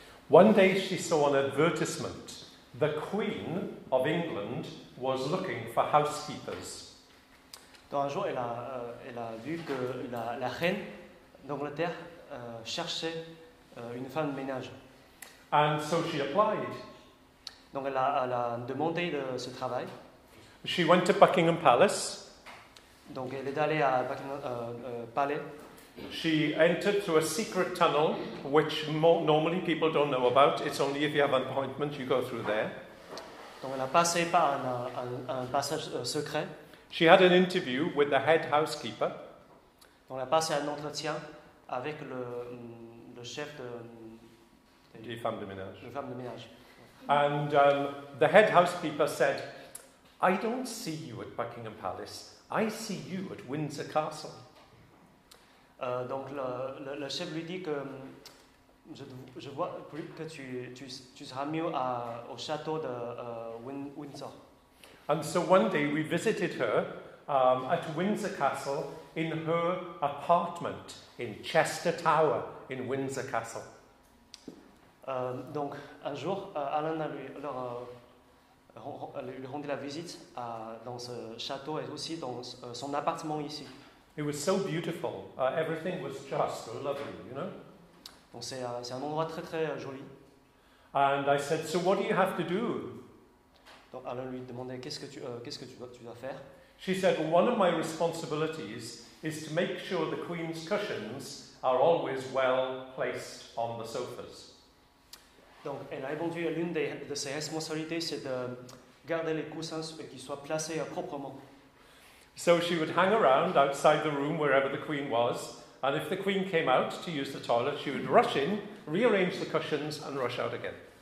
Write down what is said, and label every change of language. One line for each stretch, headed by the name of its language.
English: One day she saw an advertisement. The Queen of England was looking for housekeepers.
French: Donc un jour, elle a vu que la reine d'Angleterre cherchait une femme de ménage.
English: And so she applied.
French: Donc elle a demandé de ce travail.
English: She went to Buckingham Palace.
French: Donc elle est allée à Buckingham Palace.
English: She entered through a secret tunnel, which normally people don't know about. It's only if you have an appointment you go through there.
French: Donc elle a passé par un passage secret.
English: She had an interview with the head housekeeper.
French: Donc elle a passé un entretien avec le chef des femmes de ménage. Les femmes de ménage.
English: And the head housekeeper said, "I don't see you at Buckingham Palace. I see you at Windsor Castle."
French: Donc le chef lui dit que je vois que tu seras mieux au château de Windsor.
English: And so one day we visited her at Windsor Castle in her apartment in Chester Tower in Windsor Castle.
French: Donc un jour, Alain a leur lui rendre la visite dans ce château et aussi dans son appartement ici.
English: It was so beautiful. Everything was just so lovely, you know.
French: Donc c'est un endroit très très joli.
English: And I said, so what do you have to do?
French: Donc Alain lui demandait qu'est-ce que tu dois faire.
English: She said, one of my responsibilities is to make sure the Queen's cushions are always well placed on the sofas.
French: Donc elle a répondu, l'une de ses responsabilités c'est de garder les coussins et qu'ils soient placés proprement.
English: So she would hang around outside the room wherever the Queen was, and if the Queen came out to use the toilet, she would rush in, rearrange the cushions, and rush out again.